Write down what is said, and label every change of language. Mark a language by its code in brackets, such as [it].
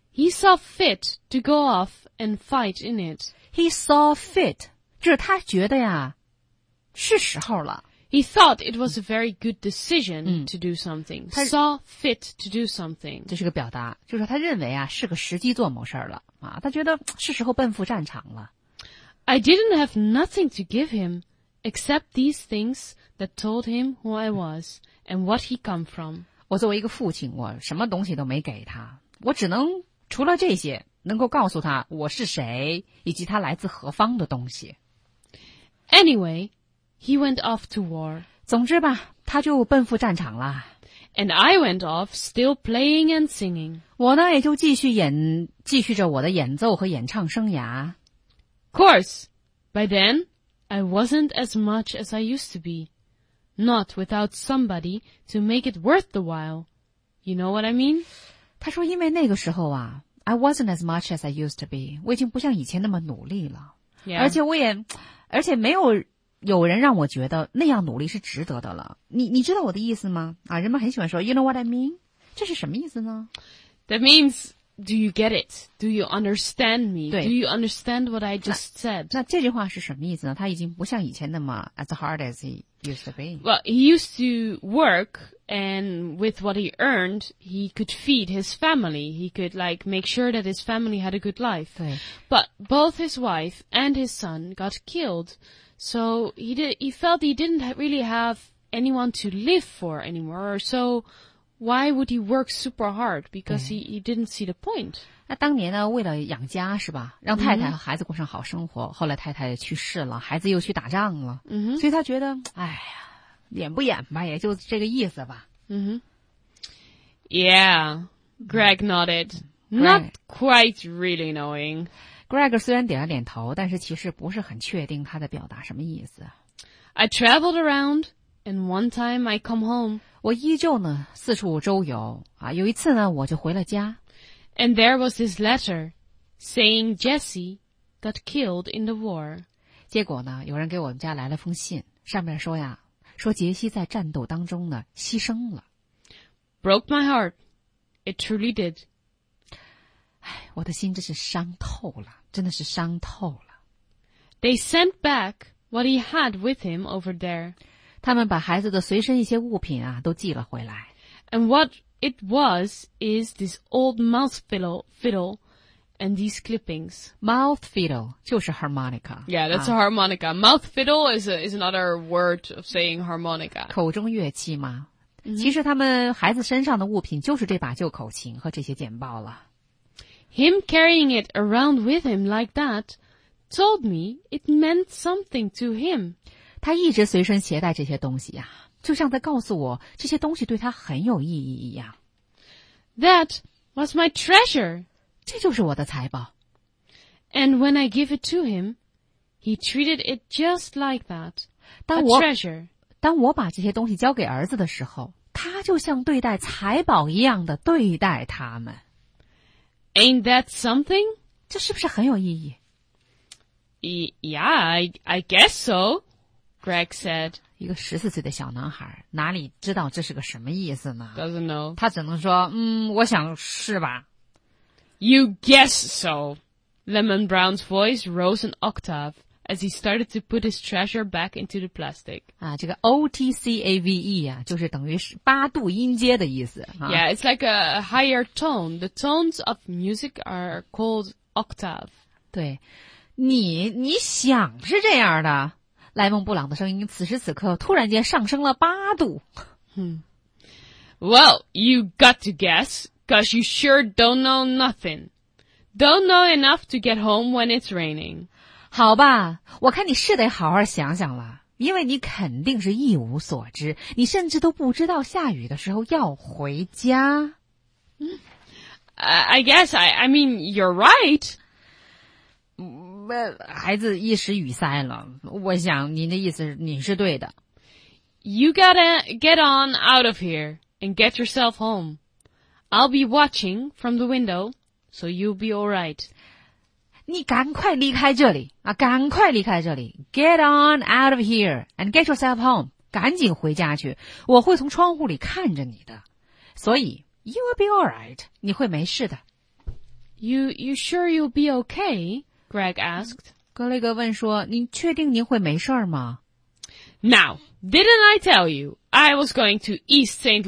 [en] He saw fit to go off and fight in it. He saw fit. [zh] 这是他觉得呀，是时候了。 [en] He thought it was a very good decision to do something. Saw fit to do something. [zh] 这是个表达，就是他认为啊，是个时机做某事了。他觉得是时候奔赴战场了。 [en] I didn't have nothing to give him except these things that told him who I was and what he come from. [zh] 我作为一个父亲，我什么东西都没给他，我只能除了这些能够告诉他我是谁以及他来自何方的东西。 [en] Anyway, he went off to war. [zh] 总之吧，他就奔赴战场了。 [en] And I went off still playing and singing. [zh] 我呢也就继续着我的演奏和演唱生涯。 [en] Of course, by then, I wasn't as much as I used to be. Not without somebody to make it worth the while. You know what I mean? [zh] 他说因为那个时候啊 [en] I wasn't as much as I used to be. [zh] 我已经不像以前那么努力了。 [en] Yeah. [zh] 而且没有有人让我觉得那样努力是值得的了。你知道我的意思吗？啊，人们很喜欢说 [en] You know what I mean? [zh] 这是什么意思呢？ [en] That means, do you get it? Do you understand me? Do you understand what I just said? [zh] 那这句话是什么意思呢？他已经不像以前那么 [en] as hard as he used to be. Well, he used to work, and with what he earned, he could feed his family. He could, like, make sure that his family had a good life. But both his wife and his son got killed. So he felt he didn't really have anyone to live for anymore. So why would he work super hard? Because he didn't see the point. [zh] 那当年呢，为了养家是吧，让太太和孩子过上好生活。后来太太去世了，孩子又去打仗了。所以他觉得，哎呀，演不演吧，也就这个意思吧。 [en] Yeah, Greg nodded. Not quite really knowing. [zh] Greg 虽然点了点头，但是其实不是很确定他在表达什么意思。 [en] I traveled around, and one time I come home. [zh] 我依旧呢四处周游啊，有一次呢我就回了家。 [en] And there was this letter saying Jesse got killed in the war. [zh] 结果呢有人给我们家来了封信，上面说呀，说杰西在战斗当中呢牺牲了。 [en] Broke my heart. It truly did. [zh] 唉，我的心真是伤透了，真的是伤透了。 [en] They sent back what he had with him over there. [zh] 他们把孩子的随身一些物品啊都寄了回来。 [en] And what it was is this old mouth fiddle and these clippings. Mouth fiddle [zh] 就是 [en] harmonica. Yeah, that's a harmonica. Mouth fiddle is another word of saying harmonica. [zh] 口中乐器嘛。Mm-hmm. 其实他们孩子身上的物品就是这把旧口琴和这些简报了。 [en] Him carrying it around with him like that told me it meant something to him. [zh] 他一直随身携带这些东西啊，就像在告诉我这些东西对他很有意义一样。 [en] That was my treasure. [zh] 这就是我的财宝。 [en] And when I give it to him, he treated it just like that. A treasure. [zh] 当我把这些东西交给儿子的时候，他就像对待财宝一样的对待他们。 [en] Ain't that something? [zh] 这是不是很有意义？ [en] Yeah, I guess so, Greg said. [zh] 一个14岁的小男孩哪里知道这是个什么意思呢？ [en] Doesn't know. [zh] 他只能说，我想是吧。 [en] You guess so. Lemon Brown's voice rose an octave as he started to put his treasure back into the plastic. [zh] 啊，这个 octave 啊，就是等于八度音阶的意思。 [en] Yeah, it's like a higher tone. The tones of music are called octave. [zh] 对。你想是这样的，莱蒙布朗的声音此时此刻突然间上升了八度。 [en] Well, you got to guess, cause you sure don't know nothing. Don't know enough to get home when it's raining. [zh] 好吧，我看你是得好好想想了，因为你肯定是一无所知，你甚至都不知道下雨的时候要回家。 [en] I guess, I mean, you're right. [zh] 孩子一时语塞了，我想您的意思是你是对的。 [en] You gotta get on out of here and get yourself home. I'll be watching from the window, so you'll be alright. [zh] 你赶快离开这里啊，赶快离开这里。 [en] Get on out of here and get yourself home. [zh] 赶紧回家去，我会从窗户里看着你的。所以 , [en] you'll be alright, [zh] 你会没事的。 [en] You sure you'll be okay? Greg asked. [zh] 格雷格问说，您确定您会没事吗？ [en] Now, didn't I tell you I was going to East St.